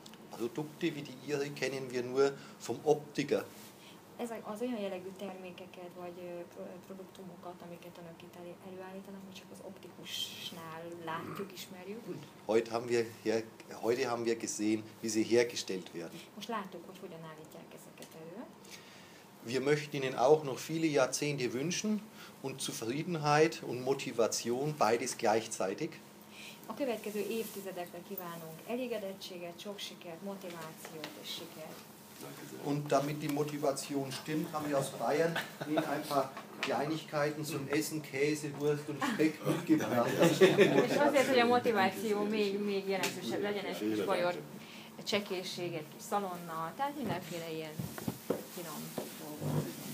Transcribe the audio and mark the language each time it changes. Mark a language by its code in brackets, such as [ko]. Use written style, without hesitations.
[de] Produkte wie die Ihre kennen wir nur vom Optiker. [hu] Ezek az olyan jellegű termékeket vagy produktumokat, amiket önök itt előállítanak, mi csak az optikusnál látjuk, ismerjük. [de] Heute haben wir gesehen, wie sie hergestellt werden. [hu] Most láttuk, hogy hogyan állítják ezeket elő. [de] Wir möchten Ihnen auch noch viele Jahrzehnte wünschen und Zufriedenheit und Motivation beides gleichzeitig. [hu] A következő évtizedekre kívánunk elégedettséget, sok sikert, motivációt és sikert. [de] Und damit die Motivation stimmt, haben wir aus Bayern Ihnen ein paar Kleinigkeiten zum Essen, Käse, Wurst und Speck mitgebracht. Ich hoffe, dass die Motivation [hu] még jelentősebb legyen, egy kis bajor csekészség, egy kis szalonnal, tehát mindenféle ilyen finom dolgokat.